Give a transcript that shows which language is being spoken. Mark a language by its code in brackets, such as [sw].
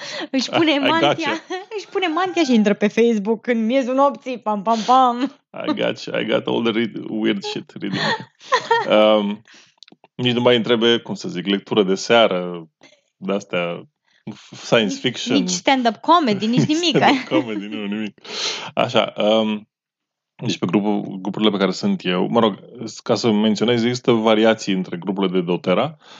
[ro] Își pune mantia, își pune mantia și intră pe Facebook în miezul nopții, pam, pam, pam. [en] I got all the weird shit reading. [ro] Nici nu mai întrebe, cum să zic, lectură de seară, de-astea, science fiction. Nici stand-up comedy, nici nimic. Comedy, nu, nimic. Așa, deci pe grupurile pe care sunt eu, mă rog, ca să menționez, există variații între grupurile de doTERRA.